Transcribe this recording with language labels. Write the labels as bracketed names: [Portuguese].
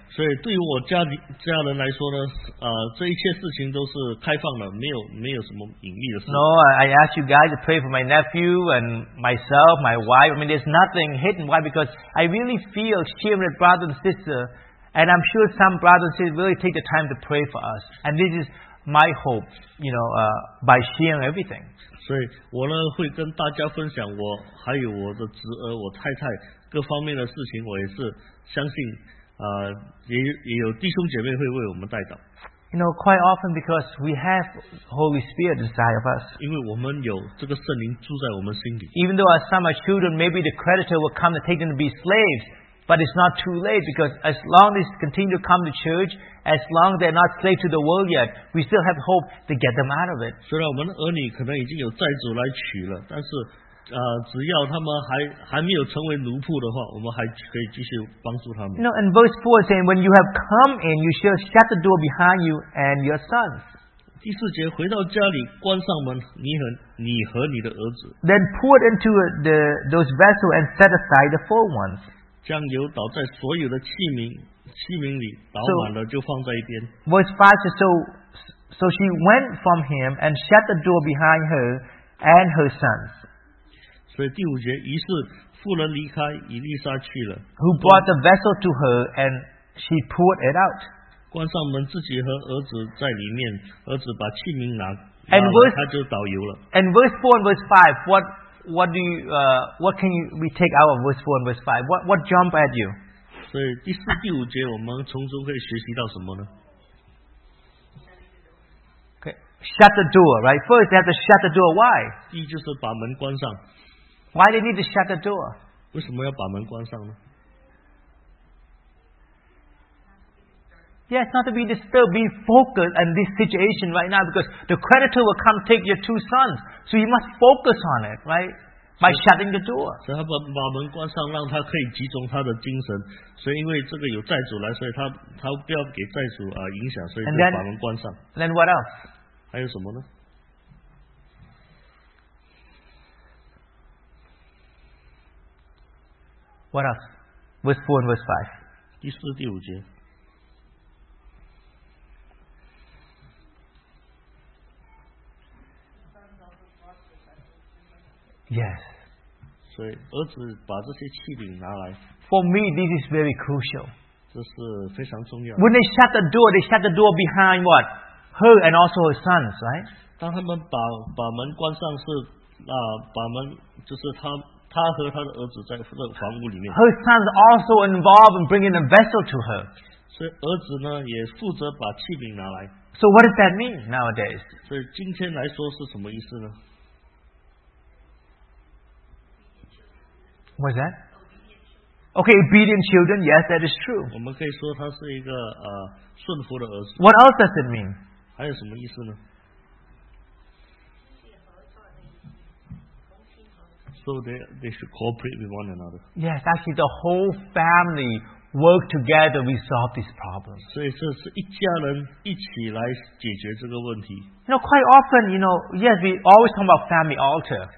[Chinese] 所以对于我家人来说呢，这一切事情都是开放的，没有什么隐秘的事。 [English] No, I ask you guys to pray for my nephew and myself, my wife. I mean, there's nothing hidden. Why? Because I really feel sharing with brother and sister, and I'm sure some brothers and sisters really take the time to pray for us. And this is. My hope, you know, by sharing everything. [Chinese] 所以我呢会跟大家分享我还有我的侄儿、我太太各方面的事情。我也是相信，也有弟兄姐妹会为我们代祷。 [English] You know, quite often because we have Holy Spirit inside of us. [Chinese] 因为我们有这个圣灵住在我们心里。 [English] Even though our some children, maybe the creditor will come to take them to be slaves. But it's not too late because as long as they continue to come to church, as long as they're not slaves to the world yet, we still have hope to get them out of it. [Chinese] 虽然我们的儿女可能已经有债主来娶了，但是只要他们还没有成为奴仆的话，我们还可以继续帮助他们。 [English] No, and verse 4 saying, when you have come in, you shall shut the door behind you and your sons. [Chinese] 第四节，回到家里，关上门，你和你的儿子。 [English] Then pour into those vessels and set aside the four ones. [Chinese] 将油倒在所有的器皿里，倒满了就放在一边。 [English] So, verse 5 says, so she went from him and shut the door behind her and her sons. [Chinese] 所以第五节，于是妇人离开，以利沙去了。 [English] Who brought the vessel to her and she poured it out. [Chinese] 关上门，自己和儿子在里面，儿子把器皿拿了，他就倒油了。 [English] And verse 4 and verse 5, what can we take out of verse 4 and verse 5? What jump at you? [Chinese] 所以第四、第五节我们从中可以学习到什么呢? [English] shut the door, right? First, they have to shut the door. Why? [Chinese] 一就是把门关上。 [English] Why they need to shut the door? [Chinese] 为什么要把门关上呢？ [English] Yes, not to be disturbed. Be focused on this situation right now because the creditor will come take your two sons. So you must focus on it, right? By shutting the door. [Chinese] 所以他把门关上, 让他可以集中他的精神。所以因为这个有债主来, 所以他不要给债主, 影响, 所以就把门关上。 [English] And then what else? [Chinese] 还有什么呢? [English] What else? Verse 4 and verse 5. [Chinese] 第四、第五节。 [English] Yes. [Chinese] 所以儿子把这些器皿拿来, [English] For me, this is very crucial. [Chinese] 这是非常重要的。 [English] When they shut the door behind what? Her and also her sons, right? [Chinese] 当他们把门关上是, 把门就是他和他的儿子在房屋里面。 [English] Her sons also involved in bringing a vessel to her. [Chinese] 所以儿子呢, 也负责把器皿拿来。 [English] So what does that mean nowadays? [Chinese] 所以今天来说是什么意思呢? [English] What's that? Okay, obedient children, yes, that is true. [Chinese] 我们可以说他是一个, 顺服的儿子。 [English] What else does it mean? [Chinese] 还有什么意思呢? 所以, [English] so they should cooperate with one another. Yes, actually the whole family work together to solve this problem. [Chinese] 所以这是一家人一起来解决这个问题。 [English] You know, quite often, you know, yes, we always talk about family altar.